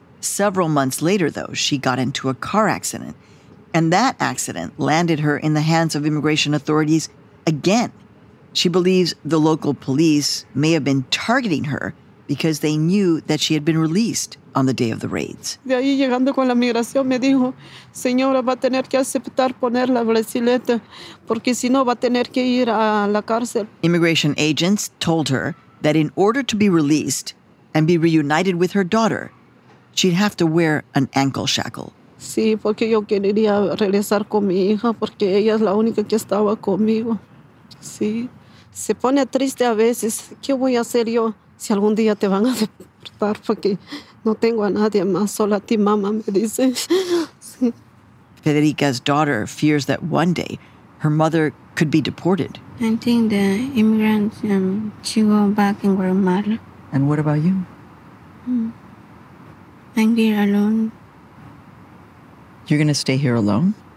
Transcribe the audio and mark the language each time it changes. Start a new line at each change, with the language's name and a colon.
English: Several months later, though, she got into a car accident, and that accident landed her in the hands of immigration authorities again. She believes the local police may have been targeting her because they knew that she had been released on the day of the raids.
Spanish: De ahí llegando con la migración me dijo, señora va a tener que aceptar poner la brazaleta porque si no va a tener que ir a la cárcel.
English: Immigration agents told her that in order to be released and be reunited with her daughter, she'd have to wear an ankle shackle.
Spanish: Sí, porque yo quería regresar con mi hija, porque ella es la única que estaba conmigo. Sí, se pone triste a veces. ¿Qué voy a hacer yo si algún día te van a deportar? Porque no tengo a nadie más, solo a ti, mamá, me dice. Sí.
English: Federica's daughter fears that one day her mother could be deported. I think the immigrants, she go back in Guatemala. And what about you? I'm here alone. You're going to stay here alone?